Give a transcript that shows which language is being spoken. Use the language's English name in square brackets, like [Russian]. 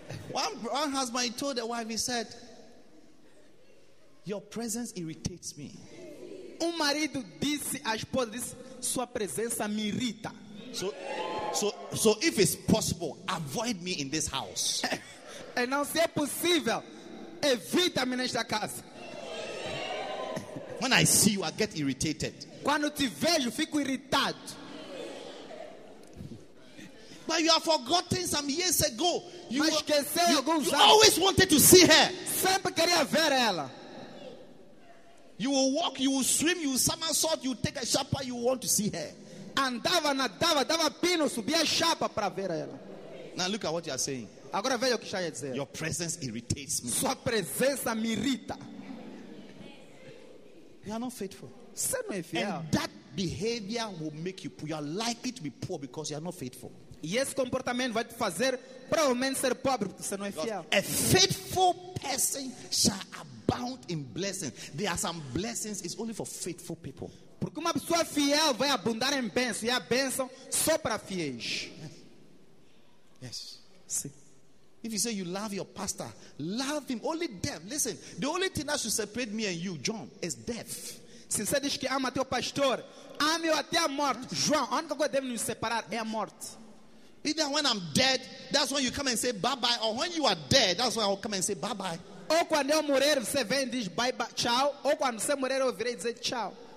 [English] One husband told the wife, he said, "Your presence irritates me." [Portuguese] Marido disse à esposa, disse, "Sua presença me irrita." [English] So if it's possible, avoid me in this house. [Portuguese] E não se é possível, evita-me nesta casa. [English] When I see you, I get irritated. [Portuguese] Quando te vejo, fico irritado. [English] But you have forgotten some years ago. You always wanted to see her. [Portuguese] Sempre queria ver ela. [English] You will walk, you will swim, you will somersault, you will take a chapa, you want to see her. [Portuguese] Andava, nadava, dava pino, subia chapa para ver ela. [English] Now look at what you are saying. [Portuguese] Agora veja o que está a dizer. [English] Your presence irritates me. [Portuguese] Sua presença me irrita. [English] You are not faithful. [Portuguese] Você não é fiel. [English] And that behavior will make you are likely to be poor because you are not faithful. [Portuguese] E esse comportamento vai te fazer provavelmente ser pobre porque você não é fiel. [English] A faithful person shall abound in blessings. There are some blessings it's only for faithful people. [Portuguese] Porque uma pessoa fiel vai abundar em bênçãos e a bênção só para fiéis. [English] Yes. [Portuguese] Sim. [English] If you say you love your pastor, love him. Only death. Listen, the only thing that should separate me and you, John, is death. [Portuguese] Se você diz que ama teu pastor, ame-o até a morte. João, a única coisa que deve nos separar é a morte. [English] Either when I'm dead, that's when you come and say bye-bye. Or when you are dead, that's when I'll come and say bye-bye. [Portuguese] Ou quando eu morrer, você vem e diz bye-bye, tchau. Ou quando você morrer, eu virei e dizer tchau.